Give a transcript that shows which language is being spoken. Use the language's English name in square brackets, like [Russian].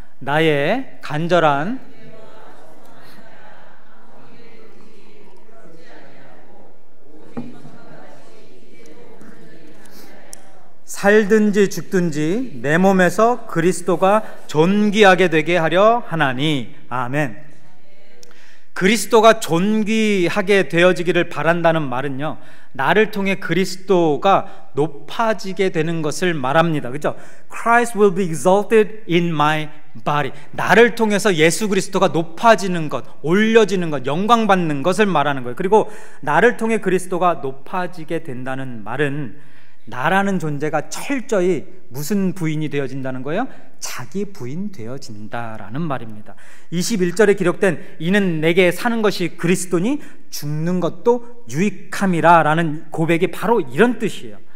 [Korean] 나의 간절한 살든지 죽든지 내 몸에서 그리스도가 존귀하게 되게 하려 하나니. 아멘. 그리스도가 존귀하게 되어지기를 바란다는 말은요, 나를 통해 그리스도가 높아지게 되는 것을 말합니다. 그렇죠? [English] Christ will be exalted in my body. [Korean] 나를 통해서 예수 그리스도가 높아지는 것, 올려지는 것, 영광받는 것을 말하는 거예요. 그리고 나를 통해 그리스도가 높아지게 된다는 말은 나라는 존재가 철저히 무슨 부인이 되어진다는 거예요? 자기 부인 되어진다라는 말입니다. 21절에 기록된 이는 내게 사는 것이 그리스도니 죽는 것도 유익함이라 라는 고백이 바로 이런 뜻이에요.